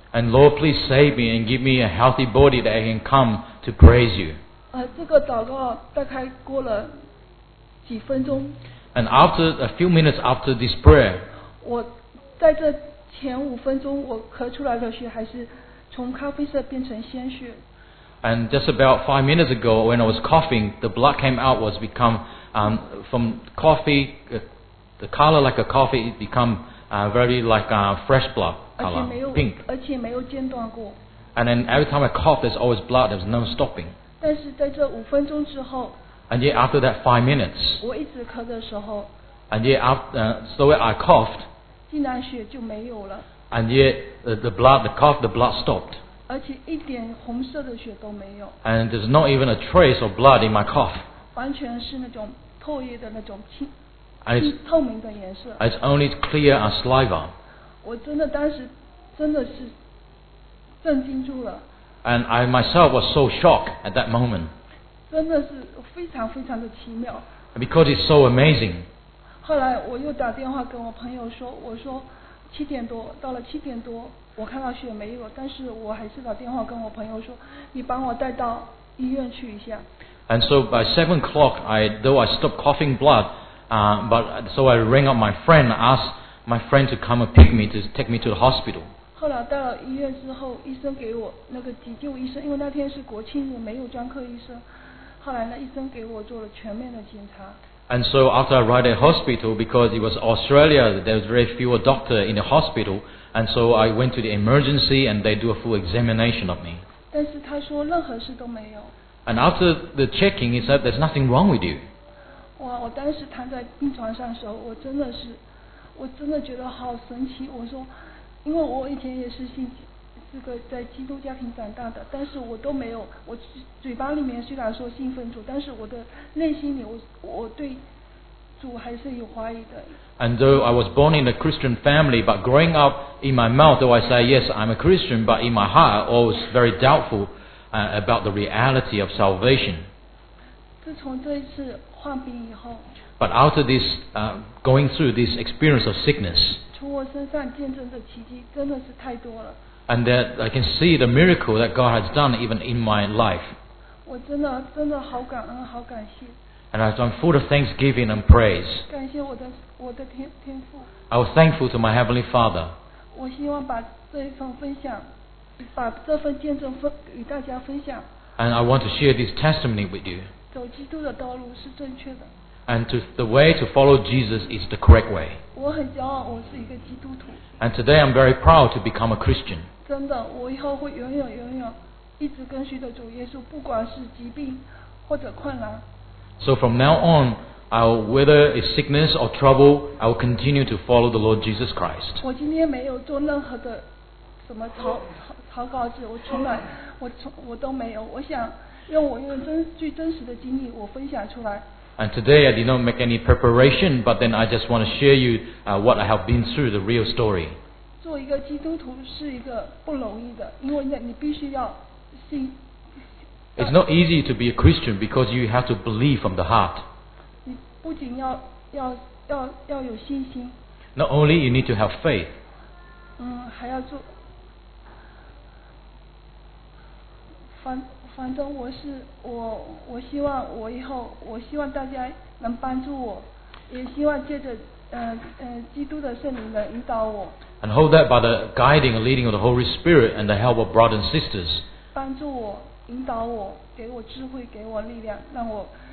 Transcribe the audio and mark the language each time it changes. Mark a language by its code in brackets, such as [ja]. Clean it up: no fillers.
[en] And Lord, please save me and give me a healthy body that I can come to praise you. [zh] 这个祷告大概过了几分钟。 [en] And after a few minutes after this prayer, [zh] 我在这前五分钟，我咳出来的血还是从咖啡色变成鲜血。 [en] And just about 5 minutes ago, when I was coughing, the blood came out was become from coffee, the color like a coffee, it become very like fresh blood color, pink. [zh] 而且没有间断过。 [en] And then every time I cough, there's always blood, there's no stopping. [zh] 但是在这五分钟之后。 [en] And yet after that 5 minutes. [zh] 我一直咳的时候。 [en] And yet after I coughed. [zh] 竟然血就没有了。 [en] And yet the blood stopped. [zh] 而且一点红色的血都没有。 [en] And there's not even a trace of blood in my cough. [zh] 完全是那种唾液的那种清透明的颜色。 [en] It's only clear as saliva. [zh] 我真的当时真的是震惊住了。 [en] And I myself was so shocked at that moment. [zh] 真的是非常非常的奇妙。 [en] Because it's so amazing. [zh] 后来我又打电话跟我朋友说，我说七点多，到了七点多。我看到血没有，但是我还是打电话跟我朋友说，你帮我带到医院去一下。 [en] And so by 7 o'clock, though I stopped coughing blood, but so I rang up my friend, asked my friend to come and pick me to take me to the hospital. [zh] 后来到了医院之后，医生给我那个急救医生，因为那天是国庆日，没有专科医生。后来呢，医生给我做了全面的检查。 [en] And so after I arrived at hospital, because it was Australia, there was very few doctor in the hospital. And so I went to the emergency and they do a full examination of me. [zh] 但是他说任何事都没有。 [en] And after the checking, he said there's nothing wrong with you. [zh] 哇，我当时躺在病床上的时候，我真的觉得好神奇。我说，因为我以前也是信这个在基督家庭长大的，但是我都没有，我嘴巴里面虽然说信奉主，但是我的内心里我对主还是有怀疑的。 [en] And though I was born in a Christian family, but growing up in my mouth, though I say yes, I'm a Christian, but in my heart, I was very doubtful about the reality of salvation. [zh] 自从这一次患病以后, [en] but after this, going through this experience of sickness, [zh] 从我身上见证的奇迹真的是太多了。 [en] And that I can see the miracle that God has done even in my life. [zh] 我真的好感恩，好感谢。 [en] And I'm full of thanksgiving and praise. [zh] 感谢我的天父。 [en] I was thankful to my Heavenly Father. [zh] 我希望把这一份分享，把这份见证与大家分享。 [en] And I want to share this testimony with you. [zh] 走基督的道路是正确的。 [en] And the way to follow Jesus is the correct way. [zh] 我很骄傲，我是一个基督徒。 [en] And today I'm very proud to become a Christian. [zh] 真的，我以后会永远一直跟随的主耶稣，不管是疾病或者困难。 [en] So from now on, whether it's sickness or trouble, I will continue to follow the Lord Jesus Christ. [zh] 我今天没有做任何的什么草稿子，我都没有。我想用最真实的经历，我分享出来。 [en] And today I did not make any preparation, but then I just want to share you what I have been through, the real story. [zh] 做一个基督徒是一个不容易的，因为你必须要信。 [en] It's not easy to be a Christian because you have to believe from the heart. [zh] 你不仅要有信心。 [en] Not only you need to have faith. [zh] 还要做。反正我希望我以后，我希望大家能帮助我，也希望借着基督的圣灵能引导我。 [en] And hold that by the guiding and leading of the Holy Spirit and the help of brothers and sisters. [zh] 帮助我。引导我，给我智慧，给我力量，让我